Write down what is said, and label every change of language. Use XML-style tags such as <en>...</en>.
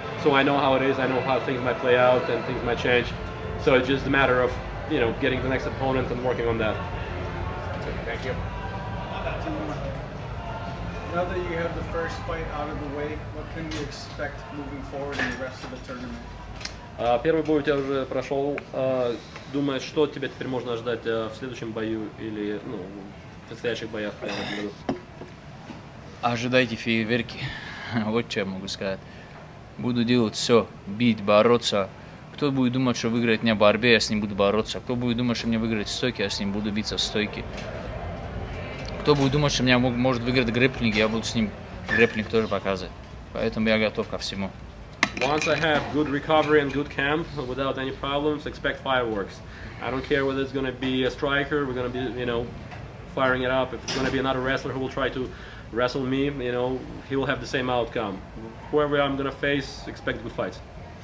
<en>So I know how it is, I know how things might play out and things might change. So it's just a matter of, you know, getting the next opponent and working on that. Thank you. Now that you have the first fight out of the way, what can you expect moving forward in the rest of the tournament?</en> <ru>Первый бой у тебя уже прошел. Думаешь, что тебе теперь можно ожидать в следующем бою или ну, в предстоящих боях? Ожидайте фейерверки. Вот что я могу сказать. Буду делать все. Бить, бороться. Кто будет думать, что выиграет меня в борьбе, я с ним буду бороться. Кто будет думать, что мне выиграет в стойке, я с ним буду биться в стойке. Кто будет думать, что меня может выиграть грэпплинг, я буду с ним грэпплинг тоже показывать. Поэтому я готов ко всему.</ru> <en>Once I have good recovery and good camp without any problems, expect fireworks. I don't care whether it's going to be a striker, we're going to be, you know, firing it up. If it's going to be another wrestler who will try to wrestle me, you know, he will have the same outcome. Whoever I'm going to face, expect good fights.</en>